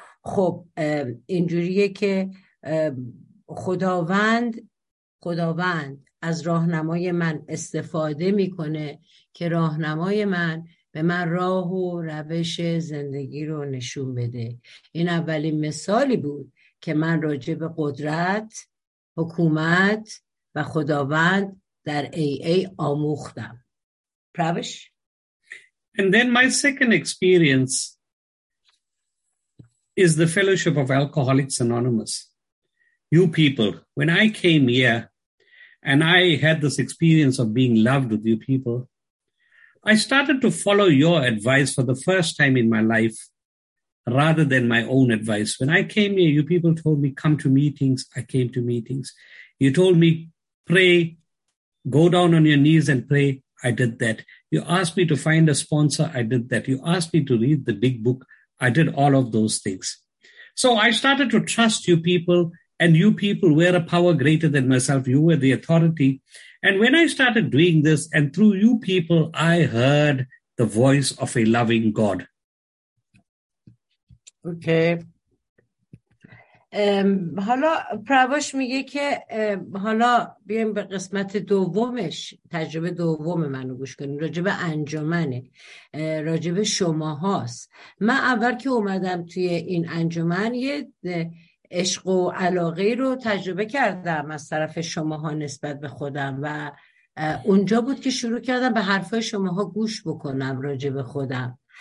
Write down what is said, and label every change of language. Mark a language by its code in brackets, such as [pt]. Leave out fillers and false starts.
[fa] خب اینجوریه که خداوند از راهنمای من استفاده میکنه که راهنمای من به من راه و روش زندگی رو نشون بده. این اولین مثالی بود که من راجع به قدرت، حکومت و خداوند در AA آموختم. پروش؟ [en] And then my second experience is the fellowship of Alcoholics Anonymous. You people, when I came here and I had this experience of being loved with you people, I started to follow your advice for the first time in my life rather than my own advice. When I came here, you people told me, come to meetings. I came to meetings. You told me, pray, go down on your knees and pray. I did that. You asked me to find a sponsor. I did that. You asked me to read the big book. I did all of those things. So I started to trust you people. And you people were a power greater than myself. You were the authority. And when I started doing this, and through you people, I heard the voice of a loving God. Okay. [fa] حالا پرواش میگه که حالا بیایم به قسمت دومش، تجربه دوم منو گوش کنیم، راجب انجمنه، راجب شما هاست. من اول که اومدم توی این انجمن یه عشق و علاقه رو تجربه کردم از طرف شماها نسبت به خودم و اونجا بود که شروع کردم به حرفای شماها گوش بکنم راجع به خودم.